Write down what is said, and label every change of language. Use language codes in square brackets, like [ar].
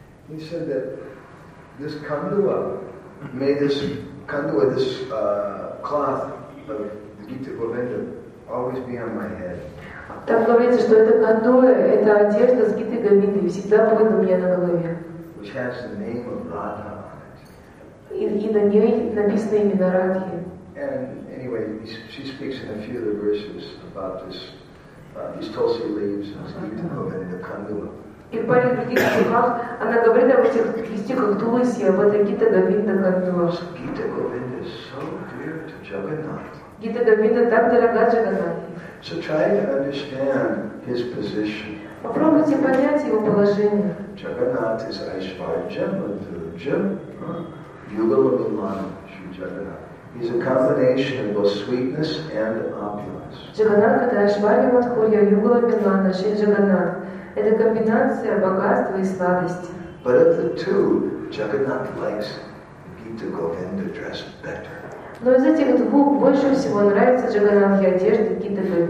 [en] He said that this Kandua made this Kandua, this cloth of the Gita Govinda always be on my head. [ru] Так говорится, что это Кандуа, это одежда с Гиты Говинды, всегда будет у меня на голове. [en] Which has the name of Radha. [ru] И на ней написаны имена Радхи. [en] And anyway, she speaks in a few of the verses about this, these Tulsi leaves and Gita Govinda Kandua. [ru] И в паре других стихах она говорит об этих листиках Туласи, об этой Гита Говинда Кандуа. [en] Gita Govinda is so dear to Jagannath. [ru] Гита Говинда так дорога Джагананте. [en] So try to understand his position. [ru] Попробуйте понять его положение. [en] Jagannath is Aishvarya Jambudu, Jim. Yugalabhimana Shri Jagannath. He's a combination of both sweetness and opulence. But of the two, Jagannath likes Gita Govinda dress better. [ru] Но из этих двух больше всего нравится Джаганнатхи одежда Гиты